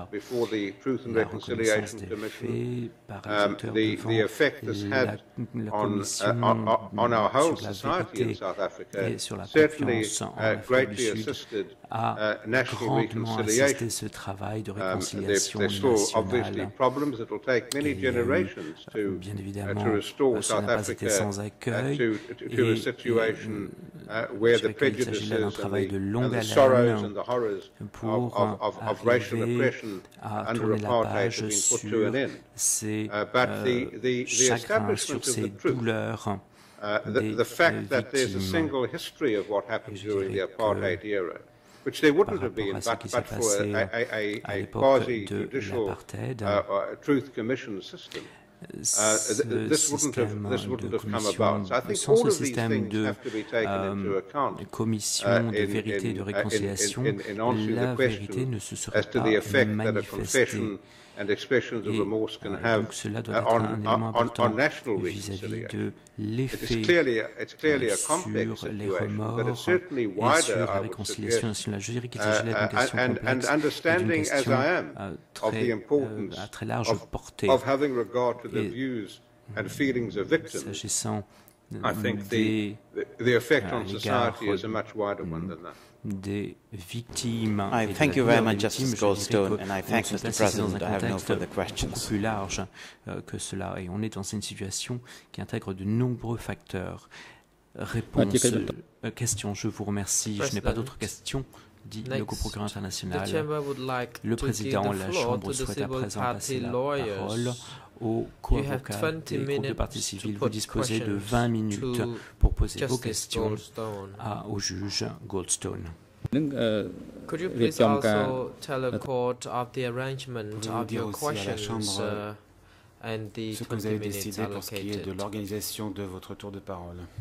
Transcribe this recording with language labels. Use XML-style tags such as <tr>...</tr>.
<en>before the Truth and Reconciliation Commission, the effect this had on our whole society in South Africa, certainly greatly assisted national reconciliation. There's still obviously problems. It will take many generations</en> <fr>bien évidemment, ça n'a pas été sans accueil et je crois qu'il s'agit là d'un travail de longue haleine pour arriver à tourner la page sur ces chagrins, sur ces douleurs.</fr> <en>The fact that there's a single history of what happened during the apartheid era, which there wouldn't have been but for a quasi-judicial truth commission system. This wouldn't have come about. So I think all of these things have to be taken into account.</en> <fr>Commission de vérité de réconciliation, la vérité ne se serait pas manifestée.</fr> <en>And expressions of remorse can have on national reconciliation. It's clearly a complex situation, but it's certainly wider, and understanding, as I am, of the importance of having regard to the views and feelings of victims, I think the effect on society is a much wider one than that.</en> <fr>Des victimes.</fr> <en>I thank you very much, Justice Goldstone, and I thank Mr. President. I have no further questions.</en> <fr>Plus large que cela, et on est dans une situation qui intègre de nombreux facteurs. Réponse. Question. Je vous remercie. Je n'ai pas d'autres questions. Dit le co-procureur international. Le président, la chambre souhaite à présent passer la parole aux co-avocats des groupes de parties civiles. Vous disposez de 20 minutes pour poser vos questions au juge Goldstone.</fr> <en>Could you please also tell the court of the arrangement of your questions and the 20 minutes allocated?</en> <fr>Pour ce qui est de l'organisation de votre tour de parole.</fr>